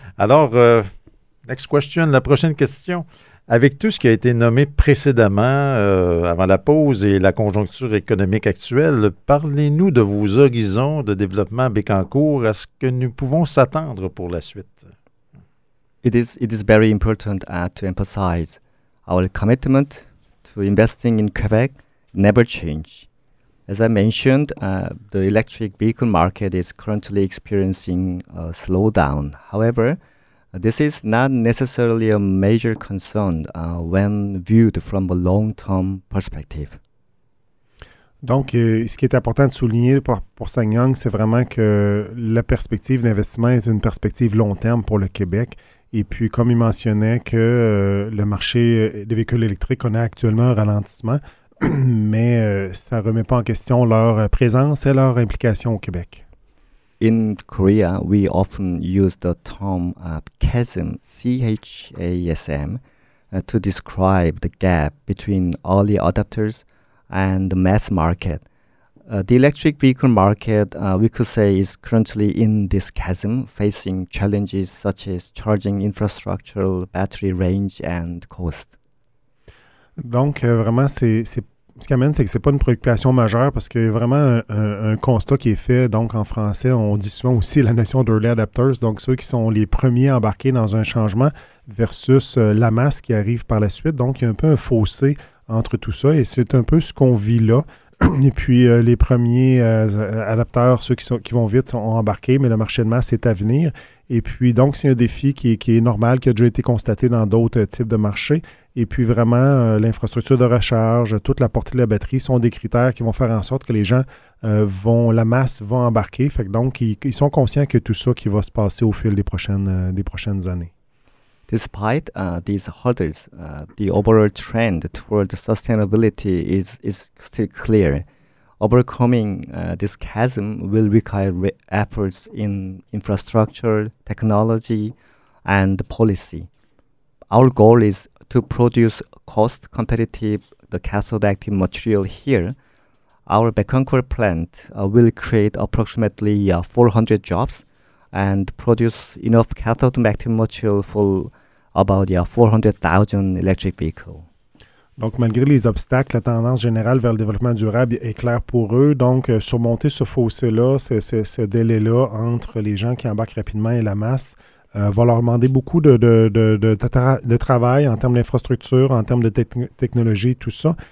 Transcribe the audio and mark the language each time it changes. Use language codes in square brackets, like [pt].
[fr] Alors, [en] next question, [fr] la prochaine question. Avec tout ce qui a été nommé précédemment, avant la pause et la conjoncture économique actuelle, parlez-nous de vos horizons de développement à Bécancour. À ce que nous pouvons s'attendre pour la suite? [en] It is very important to emphasize our commitment to investing in Quebec never change. As I mentioned, the electric vehicle market is currently experiencing a slowdown. However, this is not necessarily a major concern when viewed from a long-term perspective. [fr] Donc, ce qui est important de souligner pour Sang-Yong, c'est vraiment que la perspective d'investissement est une perspective long terme pour le Québec. Et puis, comme il mentionnait que le marché des véhicules électriques connaît actuellement un ralentissement, mais ça ne remet pas en question leur présence et leur implication au Québec. [en] In Korea, we often use the term chasm, C-H-A-S-M, to describe the gap between early adopters and the mass market. The electric vehicle market, we could say, is currently in this chasm, facing challenges such as charging infrastructure, battery range, and cost. [fr] Donc, vraiment, ce qui amène, c'est que ce n'est pas une préoccupation majeure parce qu'il y a vraiment un constat qui est fait. Donc, en français, on dit souvent aussi la nation d'early adopters, donc ceux qui sont les premiers embarqués dans un changement versus la masse qui arrive par la suite. Donc, il y a un peu un fossé entre tout ça et c'est un peu ce qu'on vit là. Et puis, les premiers adapteurs, ceux qui vont vite, ont embarqué, mais le marché de masse est à venir. Et puis, donc, c'est un défi qui est normal, qui a déjà été constaté dans d'autres types de marchés. Et puis, vraiment, l'infrastructure de recharge, toute la portée de la batterie sont des critères qui vont faire en sorte que les gens la masse va embarquer. Fait que donc, ils sont conscients que tout ça qui va se passer au fil des prochaines années. [en] Despite these hurdles, the overall trend toward sustainability is still clear. Overcoming this chasm will require efforts in infrastructure, technology, and policy. Our goal is to produce cost-competitive the cathode-active material here. Our Bécancour plant will create approximately 400 jobs and produce enough cathode-active material for about 400,000 electric vehicles. [fr] Donc, malgré les obstacles, la tendance générale vers le développement durable est claire pour eux. Donc, surmonter ce fossé-là, ce délai-là entre les gens qui embarquent rapidement et la masse va leur demander beaucoup de travail en termes d'infrastructure, en termes de technologie, tout ça.